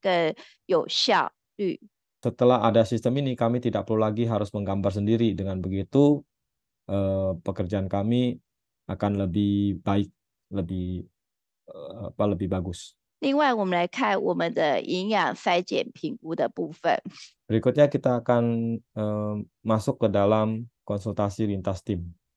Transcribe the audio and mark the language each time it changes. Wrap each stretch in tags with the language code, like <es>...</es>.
<zh>所以有这个资讯系统之后，让护理师的工作更有效率。</zh> <id>Setelah ada sistem ini, kami tidak perlu lagi harus menggambar sendiri. Dengan begitu, pekerjaan kami akan lebih baik, lebih bagus.</id> <zh>另外，我们来看我们的营养筛检评估的部分。</zh> <id>Berikutnya kita akan masuk ke dalam konsultasi lintas tim.</id>